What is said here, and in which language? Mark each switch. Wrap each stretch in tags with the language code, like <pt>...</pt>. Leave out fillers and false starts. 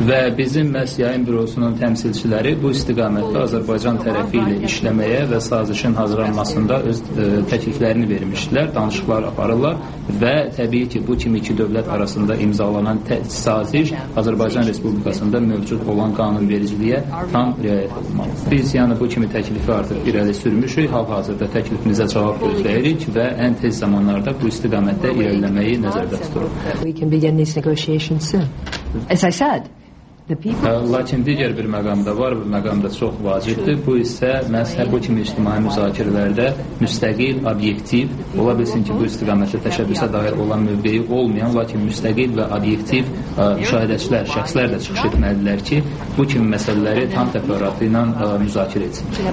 <az>Və bizim məhz yayın bürosunun təmsilçiləri bu istiqamətdə Azərbaycan tərəfi ilə işləməyə və sazişin hazırlanmasında öz təkliflərini vermişdilər, danışıqlar aparırlar və təbii ki, bu kimi iki dövlət arasında imzalanan saziş Azərbaycan Respublikasında mövcud olan qanunvericiliyə tam riayət olunmalıdır. Biz yəni bu kimi təklifi artıq irəli sürmüşük, hal-hazırda təklifimizə cavab gözləyirik və ən tez zamanlarda bu istiqamətdə irəliləməyi nəzərdə tuturuq.</az> <en>We can begin these negotiations soon. As I said,</en> <az>Lakin digər bir məqam da var, bir məqam da çox vacibdir. Bu isə məhz bu kimi ictimai müzakirələrdə müstəqil, obyektiv, ola bilsin ki, bu istiqamətdə təşəbbüsə dair olan mövqeyi olmayan, lakin müstəqil və obyektiv müşahidəçilər, şəxslər də çıxış etməlidirlər ki, bu kimi məsələləri tam təfərrüatı ilə müzakirə etsin.</az>